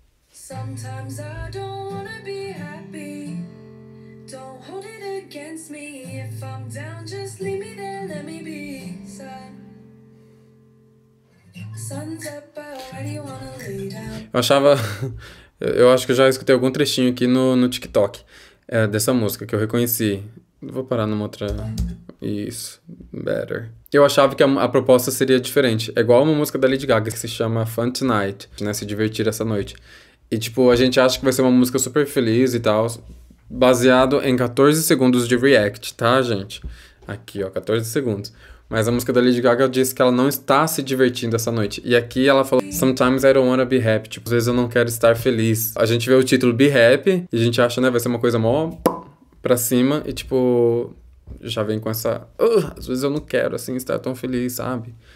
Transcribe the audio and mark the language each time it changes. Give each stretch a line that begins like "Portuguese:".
English: Sometimes I don't wanna be happy. Don't hold it against me. If I'm down, just leave me there, let me be. Sun's up, already wanna lay down.
Portuguese: Eu achava. Eu acho que eu já escutei algum trechinho aqui no TikTok dessa música que eu reconheci. Vou parar numa outra. Isso, better. Eu achava que a proposta seria diferente. É igual uma música da Lady Gaga que se chama Fun Tonight, né? Se divertir essa noite. E tipo, a gente acha que vai ser uma música super feliz e tal. Baseado em 14 segundos de react, tá, gente? Aqui, ó, 14 segundos. Mas a música da Lady Gaga diz que ela não está se divertindo essa noite. E aqui ela falou,
English: sometimes I don't wanna be happy.
Portuguese: Tipo, às vezes eu não quero estar feliz. A gente vê o título Be Happy e a gente acha, né, vai ser uma coisa mó pra cima. E tipo, já vem com essa, às vezes eu não quero assim estar tão feliz, sabe?